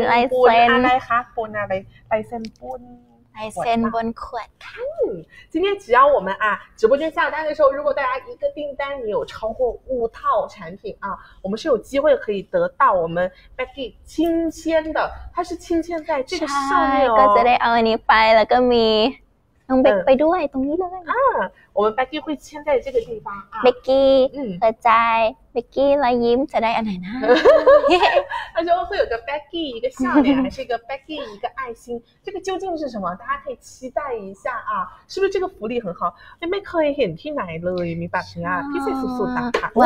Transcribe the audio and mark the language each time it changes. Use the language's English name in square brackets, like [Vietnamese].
[Thai] อะไรคะปุ่นอะไรลายเซ็นปุ่น ลายเซ็นบนขวดค่ะ [Chinese] 今天只要我们啊直播间下单的时候如果大家一个订单你有超过5套产品啊我们是有机会可以得到我们 Becky 亲签的它是亲签在这个上面哦 [Thai] ก็จะได้เอาอันนี้ไปแล้วก็มีน้องเบ็คไปด้วยตรงนี้เลย [Chinese] อ่า我们 Becky 会签在这个地方啊 [Thai] Becky เปิดใจเบกกี้รอยยิ้มจะได้อะไรนะ [Chinese] เขาจะมีเบกกี้一个笑脸还是一个เบกกี้一个爱心这个究竟是什么大家可以期待一下啊是不是这个福利很好 [Thai] ไม่เคยเห็นที่ไหนเลยมีแบบนี้อ่ะพิเศษสุดๆนะคะ